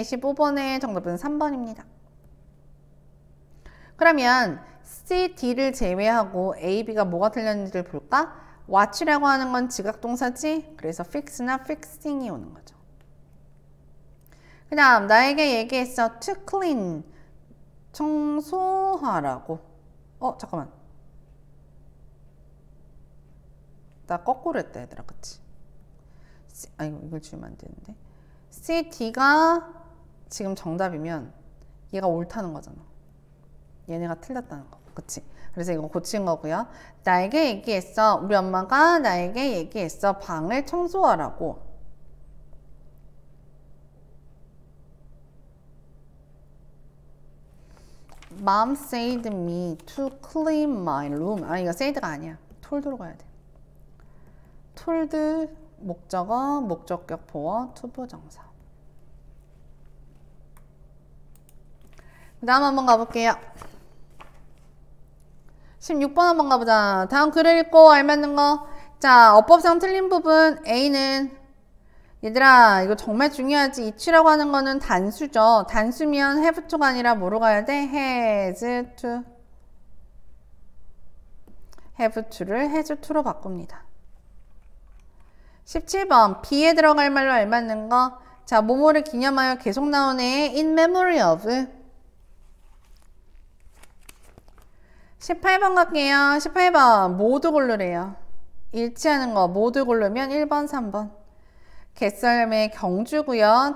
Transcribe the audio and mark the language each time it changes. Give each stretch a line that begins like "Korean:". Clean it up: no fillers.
Korean: 15번의 정답은 3번입니다. 그러면 C, D를 제외하고 A, B가 뭐가 틀렸는지를 볼까? Watch라고 하는 건 지각동사지. 그래서 Fix나 Fixing이 오는 거죠. 그 다음 나에게 얘기했어.
English: To clean,
Korean: 청소하라고. 잠깐만. 나 거꾸로 했다 얘들아, 그치? 아니 이걸 지우면 안 되는데. CD가 지금 정답이면 얘가 옳다는 거잖아. 얘네가 틀렸다는 거, 그치? 그래서 이거 고친 거고요. 나에게 얘기했어. 우리 엄마가 나에게 얘기했어. 방을 청소하라고.
English: Mom said me to clean my room.
Korean: 아, 이거 said가 아니야. told로 가야 돼. told, 목적어, 목적격 보어, to 부정사. 다음 한번 가볼게요. 16번 한번 가보자. 다음 글을 읽고 알맞는 거. 자, 어법상 틀린 부분 A는 얘들아, 이거 정말 중요하지. it이라고 하는 거는 단수죠. 단수면 have to가 아니라 뭐로 가야 돼?
English: has to.
Korean: have to를 has to로 바꿉니다. 17번, B에 들어갈 말로 알맞는 거. 자, 뭐뭐를 기념하여 계속 나오네.
English: In memory of.
Korean: 18번 갈게요. 18번, 모두 고르래요. 일치하는 거, 모두 고르면 1번, 3번. 갯썰매 경주고요.